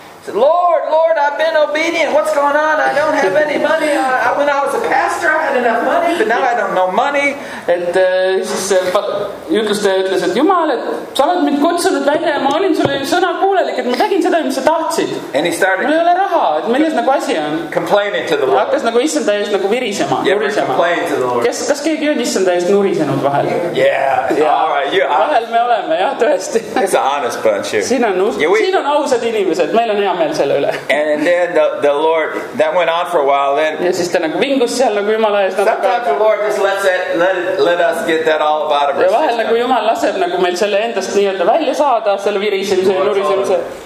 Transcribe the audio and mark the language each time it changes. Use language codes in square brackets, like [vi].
[en] Lord, Lord, I've been obedient. What's going on? I don't have any money. When I was a pastor, I had enough money, but now I don't know money. [et] Et siis jutluste ütles, et Jumal, et sa oled mind kutsunud välja ja ma olin sulle sõna kuulelik, et ma tegin seda, mis sa tahtsid. [en] And he started... [et] Ma ei ole raha, et milles nagu asi on. [en] Complaining to the Lord. [et] Hakkas nagu issanda eest nagu virisema, nurisema. [en] Complaining to the Lord. [et] Kas keegi on issanda eest nurisenud vahel? [en] Yeah, all right. [et] Vahel me oleme, jah, tõesti. [en] It's an honest bunch here. [et] Siin on ausad inimesed, meil on hea meel selle üle. [en] And then the Lord, that went on for a while then. [et] Ja siis ta nagu vingus seal nagu Jumala eest. [en] Sometimes the Lord just let us get that all about ourselves. [et] Ja vahel nagu Jumal laseb nagu meil selle endast nii-öelda välja saada, selle virisemise ja nurisemise.